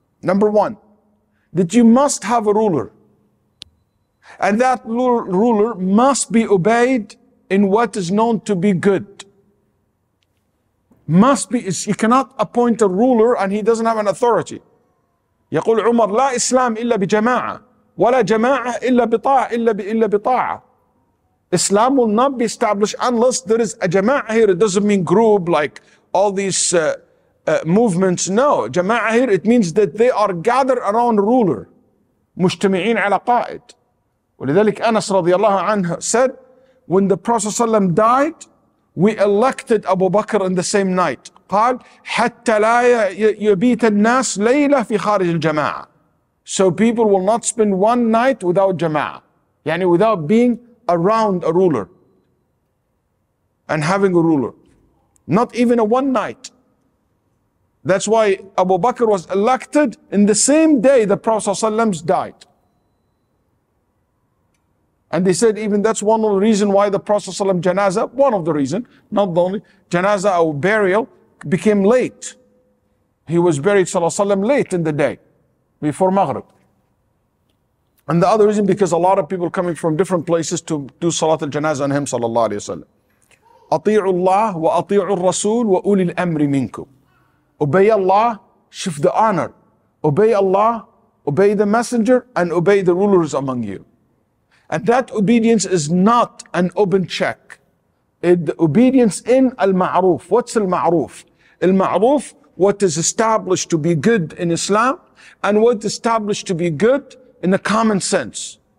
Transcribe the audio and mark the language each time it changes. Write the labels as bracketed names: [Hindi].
[English] Number one, that you must have a ruler. And that ruler must be obeyed in what is known to be good. Must be, you cannot appoint a ruler and he doesn't have an authority. [Arabic] يقول عمر لا إسلام إلا بجماعة ولا جماعة إلا بطاعة إلا بطاعة. [English] Islam will not be established unless there is a jama'ah here. It doesn't mean group like all these movements. No, jama'ah here, it means that they are gathered around ruler. [Arabic] مجتمعين على قائد. ولذلك أنس رضي الله عنه [English] said, when the Prophet ﷺ died, we elected Abu Bakr in the same night. [Arabic] قال حتى لا يبيت الناس ليلة في خارج الجماعة. [English] So people will not spend one night without jama'ah. يعني without being around a ruler and having a ruler, not even a one night. That's why Abu Bakr was elected in the same day the Prophet ﷺ died. And they said even that's one of the reason why the Prophet ﷺ janazah, one of the reason, not the only, janazah or burial became late. He was buried ﷺ late in the day before Maghrib. And the other reason, because a lot of people coming from different places to do Salat al-Janazah on him, sallallahu alayhi wa sallam. [Arabic] أطيعوا الله وأطيعوا الرسول وأولي الأمر منكم. [English] Obey Allah, shift the honor. Obey Allah, obey the messenger, and obey the rulers among you. And that obedience is not an open check. The obedience in al-ma'ruf. What's al-ma'ruf? Al-ma'ruf, what is established to be good in Islam, and what is established to be good in the common sense.